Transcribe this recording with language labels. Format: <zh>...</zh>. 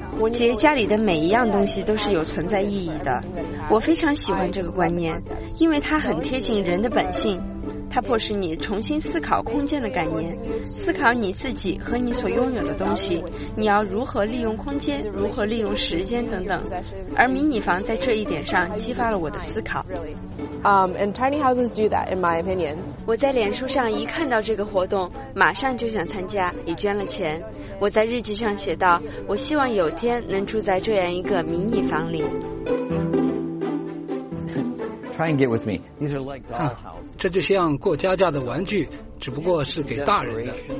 <zh>杰，家里的每一样东西都是有存在意义的，我非常喜欢这个观念，因为它很贴近人的本性，它迫使你重新思考空间的概念，思考你自己和你所拥有的东西，你要如何利用空间，如何利用时间等等。而迷你房在这一点上激发了我的思考。</zh> <en>And tiny houses do that, in my opinion.</en> <zh>我在脸书上一看到这个活动，马上就想参加，也捐了钱。我在日记上写道：我希望有天能住在这样一个迷你房里。</zh> <en>Try and get with me. These are like doll houses.</en> <zh>这就像过家家的玩具，只不过是给大人的。</zh>